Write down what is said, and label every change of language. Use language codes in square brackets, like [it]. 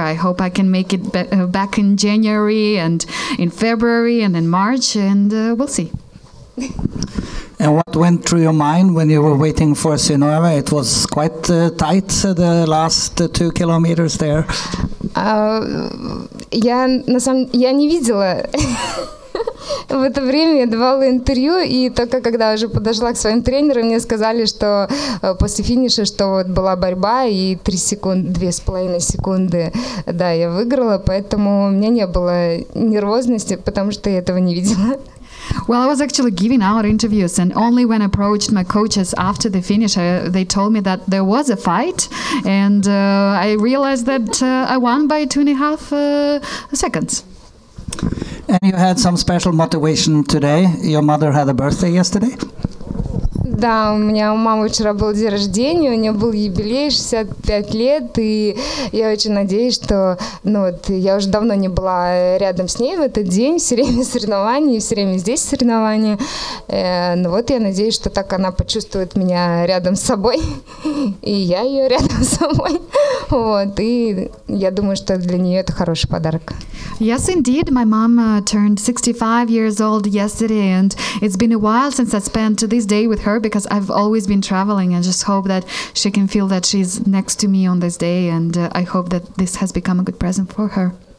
[en] I hope I can make it back in January and in February and in March, and we'll see. And what went through your mind when you were waiting for Synnoeve? It was quite tight the last 2 kilometers there. [ru] Я не видела в это время, я давала интервью, и только когда уже подошла к своим тренерам, мне сказали, что после финиша, что вот была борьба, и 3 секунды, 2.5 секунды, да, я выиграла, поэтому у меня не было нервозности, потому что я этого не видела. [en] Well, I was actually giving out interviews, and only when I approached my coaches after the finish, they told me that there was a fight, and I realized that I won by 2.5 seconds. And you had some special motivation today. Your mother had a birthday yesterday. [ru] Да, у меня у мамы вчера был день рождения, у нее был юбилей 65 лет, и я очень надеюсь, что, ну вот, я уже давно не была рядом с ней в этот день, все время соревнования, все время здесь соревнования, ну вот, я надеюсь, что так она почувствует меня рядом с собой, и я ее рядом с собой, вот, и я думаю, что для нее это хороший подарок. [en] Yes, indeed, my mom turned 65 years old yesterday, and it's been a while since I spent this day with her because I've always been traveling. I just hope that she can feel that she's next to me on this day, and I hope that this has become a good present for her.